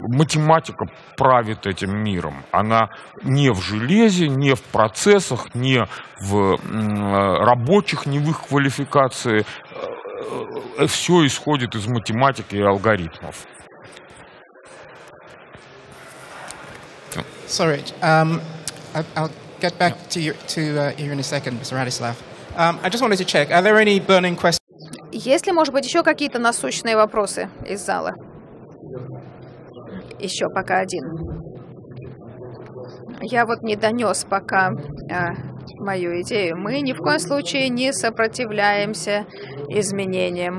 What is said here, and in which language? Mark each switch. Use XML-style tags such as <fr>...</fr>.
<ru>Математика правит этим миром. Она не в железе, не в процессах, не в рабочих, не в их квалификации. Все исходит из математики и алгоритмов.</ru> <en>Sorry, I'll get back to you here in a second, Mr. Radislav. I just wanted to check, are there any burning questions?</en> <ru>Есть ли, может быть, еще какие-то насущные вопросы из зала? Еще пока один. Я вот не донес пока мою идею. Мы ни в коем случае не сопротивляемся изменениям.</ru>